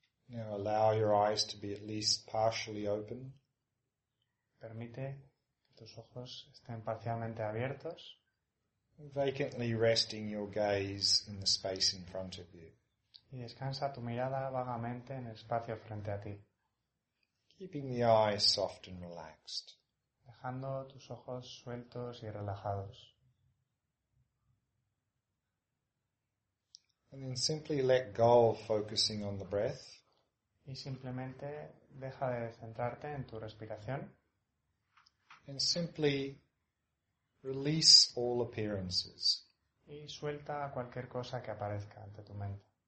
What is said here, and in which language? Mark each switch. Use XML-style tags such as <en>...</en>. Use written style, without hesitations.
<en>Now allow your eyes to be at least partially open.</en> <es>Permite que tus ojos estén parcialmente abiertos.</es> <en>Vacantly resting your gaze in the space in front of you.</en> <es>Y descansa tu mirada vagamente en el espacio frente a ti.</es> <en>Keeping the eyes soft and relaxed.</en> <es>Dejando tus ojos sueltos y relajados.</es> <en>And then simply let go of focusing on the breath.</en> <es>Y simplemente deja de centrarte en tu respiración.</es> <en>And simply release all appearances.</en> <es>Y suelta cualquier cosa que aparezca ante tu mente.</es>